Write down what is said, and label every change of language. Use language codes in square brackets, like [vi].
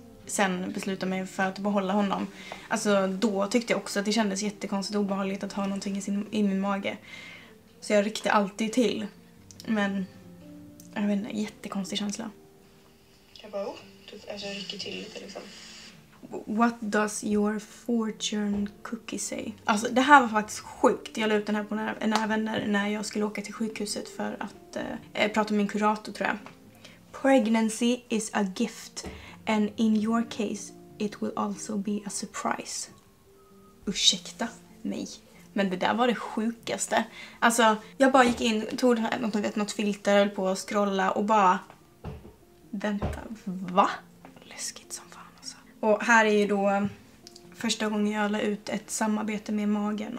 [sv] Sen beslutade mig för att behålla honom. Alltså då tyckte jag också att det kändes jättekonstigt obehagligt att ha någonting i min mage. Så jag ryckte alltid till. Men jag vet inte, jättekonstig känsla. Jag bara, typ, alltså jag ryckte till lite liksom. [en] What does your fortune cookie say? [sv] Alltså det här var faktiskt sjukt. Jag la ut den här på nära vänner när jag skulle åka till sjukhuset för att prata med min kurator tror jag. [en] Pregnancy is a gift. And in your case, it will also be a surprise. [sv] Ursäkta mig. Men det där var det sjukaste. Alltså, jag bara gick in, tog något filter på att scrolla och bara... Vänta, va? Läskigt som fan alltså. Och här är ju då första gången jag la ut ett samarbete med magen.